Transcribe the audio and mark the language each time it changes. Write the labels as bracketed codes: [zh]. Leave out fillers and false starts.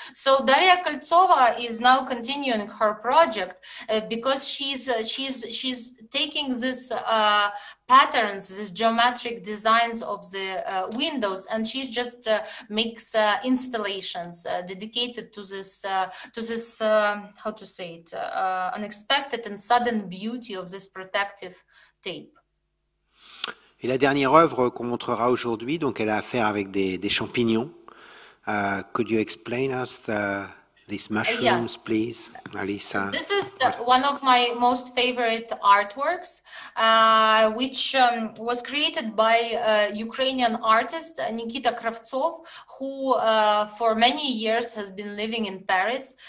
[en] So Daria Koltsova is now continuing her project because she's taking this patterns, these geometric designs of the windows, and she just makes installations dedicated to this unexpected and sudden beauty of this protective tape. [fr] Et la dernière œuvre qu'on montrera aujourd'hui, donc elle a affaire avec des champignons. [en] Could you explain us these mushrooms, yes, please, Alisa? This is one of my most favorite artworks, which was created by Ukrainian artist Nikita Kravtsov, who for many years has been living in Paris.